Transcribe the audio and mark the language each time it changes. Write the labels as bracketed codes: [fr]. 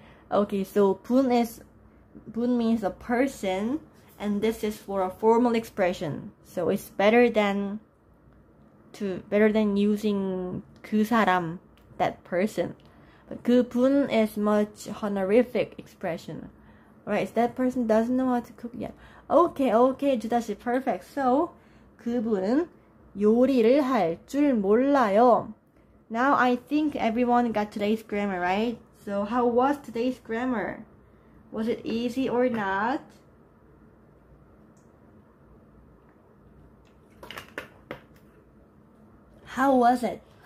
[en] Okay, so 분 is, 분 means a person, and this is for a formal expression. So it's better than using 그 사람. That person. But 그분 is much honorific expression. Alright, so that person doesn't know how to cook yet. Okay, okay, 주다시, perfect. [ko] So, 그분은 요리를 할 줄 몰라요. [en] Now, I think everyone got today's grammar, right? So, how was today's grammar? Was it easy or not? How was it?